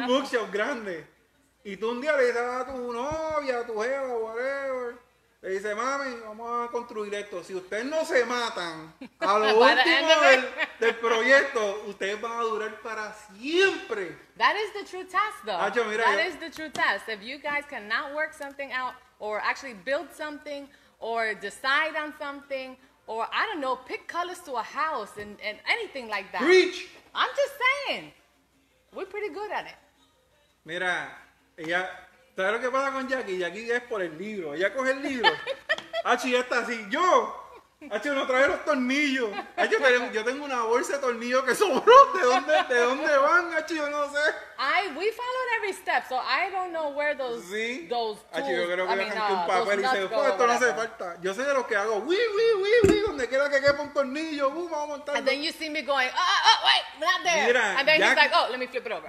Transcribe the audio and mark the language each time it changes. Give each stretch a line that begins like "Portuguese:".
Spanish: Un bookshelf grande. Y tú un día le dices a tu novia, a tu jeva, whatever. Le dices, mami, vamos a construir esto. Si ustedes no se matan a lo último del proyecto, ustedes van a durar para siempre.
English: That is the true test, though.
Spanish: Acho, mira,
English: that is the true test. If you guys cannot work something out or actually build something or decide on something or, I don't know, pick colors to a house and anything like that. Preach! I'm just saying. We're pretty good at it.
Spanish: Mira, ella... ¿Sabes lo que pasa con Jackie? Jackie es por el libro. Ella coge el libro. Hachi, ya está así. Yo. Hachi, no trae los tornillos. Hachi, yo tengo una bolsa de tornillos que sobró. ¿De dónde van? Hachi, yo no sé.
English: We followed every step, so I don't know where those.
Spanish: Sí.
English: Those tools,
Spanish: Hachi, yo creo que dejan un papel y se dice, oh, esto no hace falta. Yo soy de los que hago, donde quiera que quepa un tornillo, vamos a montarlo.
English: And then you see me going, wait, not there. Mira, and then Jackie, he's like, let me flip it over.